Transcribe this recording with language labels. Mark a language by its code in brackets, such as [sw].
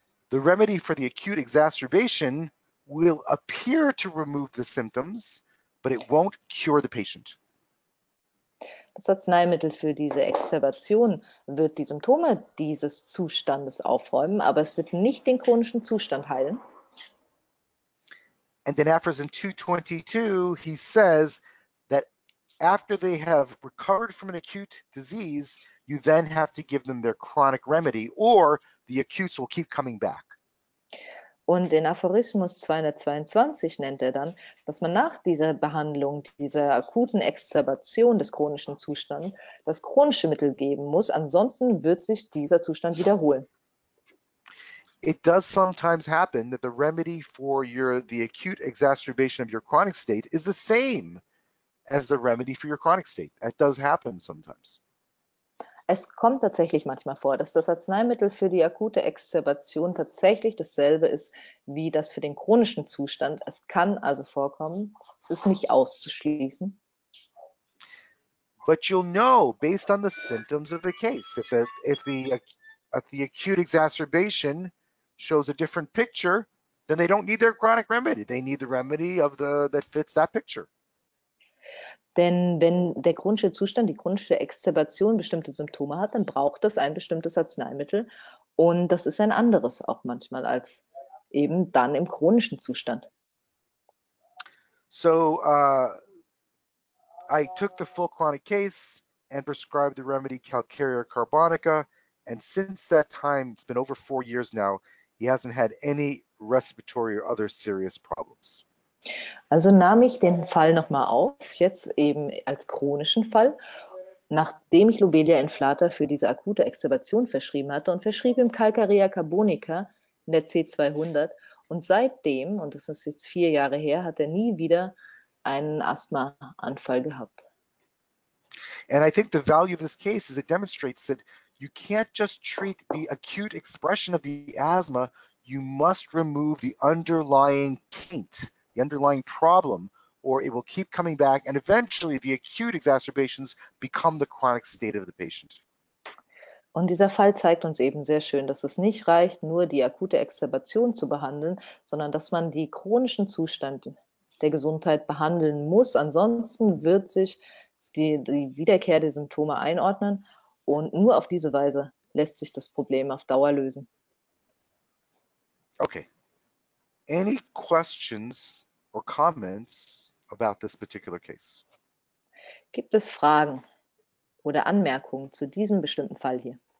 [en] The remedy for the acute exacerbation will appear to remove the symptoms, but it won't cure the patient. [de] Das Arzneimittel für diese Exzerption wird die Symptome dieses Zustandes aufräumen, aber es wird nicht den chronischen Zustand heilen. [en] And then Aphorism 222, he says that after they have recovered from an acute disease, you then have to give them their chronic remedy, or the acutes will keep coming back. [de] Und in Aphorismus 222 nennt er dann, dass man nach dieser Behandlung, dieser akuten Exzerbation des chronischen Zustands, das chronische Mittel geben muss, ansonsten wird sich dieser Zustand wiederholen. [en] It does sometimes happen that the remedy for the acute exacerbation of your chronic state is the same as the remedy for your chronic state. That does happen sometimes. [de] Es kommt tatsächlich manchmal vor, dass das Arzneimittel für die akute Exzerption tatsächlich dasselbe ist wie das für den chronischen Zustand. Es kann also vorkommen, es ist nicht auszuschließen. [en] But you'll know based on the symptoms of the case. If the acute exacerbation shows a different picture, then they don't need their chronic remedy. They need the remedy of the that fits that picture. [de] Denn wenn der chronische Zustand, die chronische Exzerption bestimmte Symptome hat, dann braucht das ein bestimmtes Arzneimittel und das ist ein anderes auch manchmal als eben dann im chronischen Zustand. [en] So I took the full chronic case and prescribed the remedy calcarea carbonica. And since that time, it's been over 4 years now, he hasn't had any respiratory or other serious problems. [de] Also nahm ich den Fall nochmal auf, jetzt eben als chronischen Fall, nachdem ich Lobelia Inflata für diese akute Extubation verschrieben hatte und verschrieb ihm Calcarea carbonica in der C200. Und seitdem, und das ist jetzt 4 Jahre her, hat er nie wieder einen Asthmaanfall gehabt. [en] And I think the value of this case is it demonstrates that you can't just treat the acute expression of the asthma, you must remove the underlying taint, the underlying problem, or it will keep coming back and eventually the acute exacerbations become the chronic state of the patient. [de] Und dieser Fall zeigt uns eben sehr schön, dass es nicht reicht, nur die akute Exzerbation zu behandeln, sondern dass man die chronischen Zustände der Gesundheit behandeln muss. Ansonsten wird sich die Wiederkehr der Symptome einordnen und nur auf diese Weise lässt sich das Problem auf Dauer lösen. [en] Okay. Any questions or comments about this particular case? [de] Gibt es Fragen oder Anmerkungen zu diesem bestimmten Fall hier?